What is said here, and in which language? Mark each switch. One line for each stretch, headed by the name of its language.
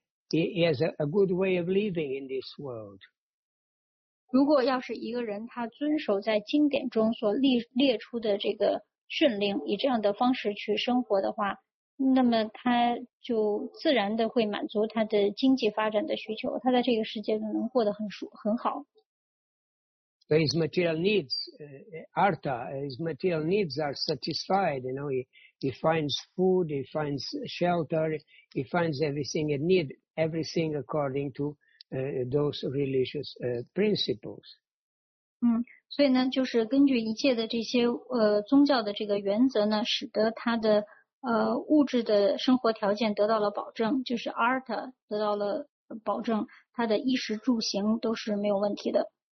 English: He has a good way of living in this world.
Chinese: 如果要是一个人他遵守在经典中所列出的这个训令，以这样的方式去生活的话，那么他就自然的会满足他的经济发展的需求，他在这个世界就能过得很好。
English: So his material needs, his material needs are satisfied. You know, he finds food, he finds shelter, he finds everything he needs, everything according to. Those religious principles.
Chinese: 所以呢，就是根据一切的这些宗教的这个原则呢，使得他的物质的生活条件得到了保证，就是 artha 得到了保证，他的衣食住行都是没有问题的。